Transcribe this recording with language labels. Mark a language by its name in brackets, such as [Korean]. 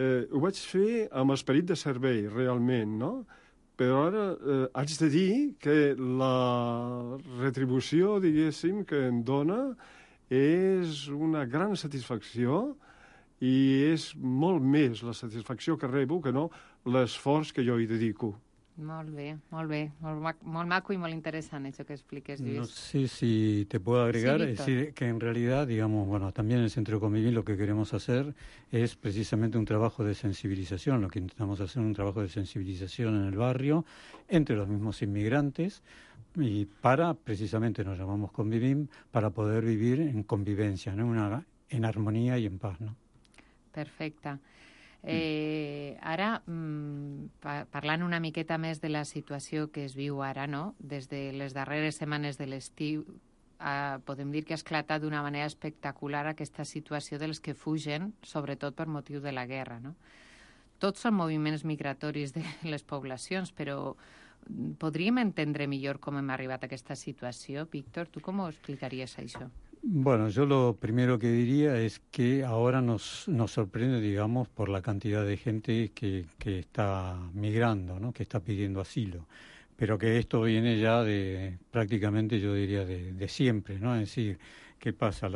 [Catalan] ho vaig fer amb esperit de servei, realment, no? Però ara haig de dir que la retribució, diguéssim, que em dona és una gran satisfacció i és molt més la satisfacció que rebo que no l'esforç que jo hi dedico. Molt bé, molt bé. Molt maco i molt interessant això que expliques, Lluís. [Spanish] No sé si te puedo agregar. Sí, Víctor. Que en realidad, digamos, bueno, también en el Centro Convivir lo que queremos hacer es precisamente un trabajo de sensibilización, lo que intentamos hacer es un trabajo de sensibilización en el barrio, entre los mismos inmigrantes, y para, precisamente nos llamamos Convivir, para poder vivir en convivencia, ¿no? En armonía y en paz, ¿no? [Catalan] Perfecta. Ara, parlant una miqueta més de la situació que es viu ara, no? Des de les darreres setmanes de l'estiu, podem dir que ha esclatat d'una manera espectacular aquesta situació dels que fugen, sobretot per motiu de la guerra, no? Tots són moviments migratoris de les poblacions, però podríem entendre millor com hem arribat a aquesta situació. Víctor, tu com ho explicaries això? [Spanish] Bueno, yo lo primero que diría es que ahora nos sorprende, digamos, por la cantidad de gente que está migrando, ¿no? Que está pidiendo asilo, pero que esto viene ya de prácticamente, yo diría, de siempre, ¿no? Es decir, ¿qué pasa?